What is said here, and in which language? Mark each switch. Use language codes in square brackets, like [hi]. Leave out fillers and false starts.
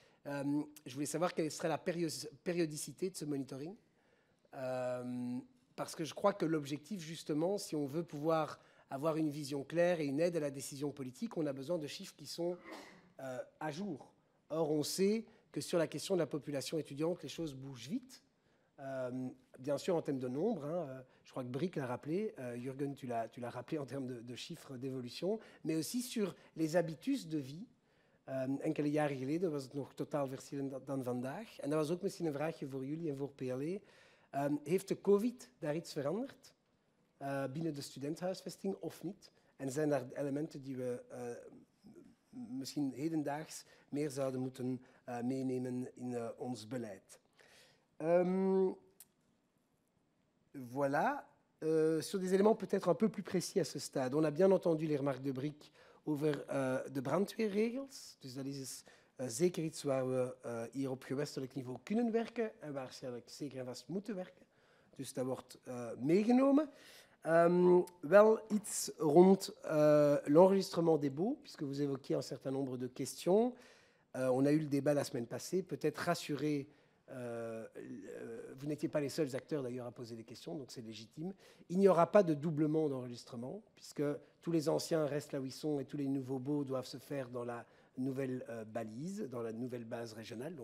[fr] Je voulais savoir quelle serait la périodicité de ce monitoring, parce que je crois que l'objectif, justement, si on veut pouvoir avoir une vision claire et une aide à la décision politique, on a besoin de chiffres qui sont à jour. Or, on sait que sur la question de la population étudiante, les choses bougent vite. Bien sûr, en termes de nombre, hein, je crois que Brick l'a rappelé, Jürgen, tu l'as rappelé en termes de chiffres d'évolution, mais aussi sur les habitus de vie. [nl] Enkele jaren geleden was het nog totaal verschillend dan vandaag. En dat was ook misschien een vraagje voor jullie en voor PLE. Heeft de COVID daar iets veranderd binnen de studentenhuisvesting of niet? En zijn daar elementen die we misschien hedendaags meer zouden moeten meenemen in ons beleid? [fr] Voilà. Sur des éléments peut-être un peu plus précis à ce stade. On a bien entendu les remarques de Brick [nl] over de brandweerregels. Dus dat is zeker iets waar we hier op gewestelijk niveau kunnen werken en waar ze zeker en vast moeten werken. Dus dat wordt meegenomen. Wel iets rond [fr] l'enregistrement des baux, puisque vous évoquiez un certain nombre de questions. On a eu le débat la semaine passée. Peut-être rassurer, vous n'étiez pas les seuls acteurs d'ailleurs à poser des questions, donc c'est légitime. Il n'y aura pas de doublement d'enregistrement, puisque tous les anciens restent là où ils sont et tous les nouveaux baux doivent se faire dans la nouvelle balise, dans la nouvelle base régionale.